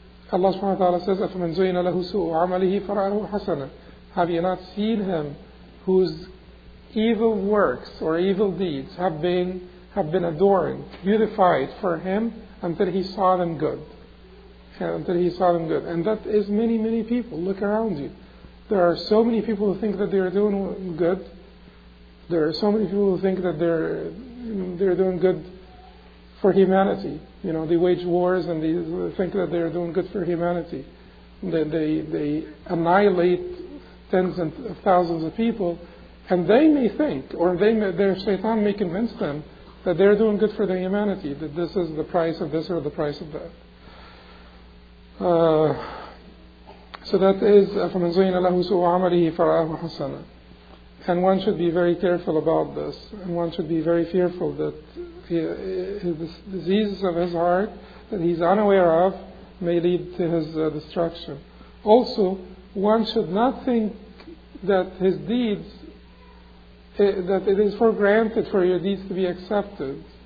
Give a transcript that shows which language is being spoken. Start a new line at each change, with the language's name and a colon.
Arabic: Allah subhanahu wa ta'ala says, أَفَمَنْ زُيِّنَ لَهُ سُوءُ عَمَلِهِ فَرَأَهُ حَسَنًا.
English: Have you not seen him whose evil works or evil deeds have been adorned, beautified for him until he saw them good? And that is many, many people. Look around you. There are so many people who think that they are doing good. There are so many people who think that they're doing good for humanity. You know, they wage wars and they think that they're doing good for humanity. They annihilate tens of thousands of people, and they may think, or their shaitan may convince them that they're doing good for the humanity, that this is the price of this or the price of that. So that is
Arabic: فَمَنْ زُيِّنَ لَهُ سُوءُ عَمَلِهِ فَرَآهُ حَسَنًا.
English: And one should be very careful about this, and one should be very fearful that the diseases of his heart that he's unaware of may lead to his destruction. Also, one should not think that his deeds, that it is for granted for your deeds to be accepted.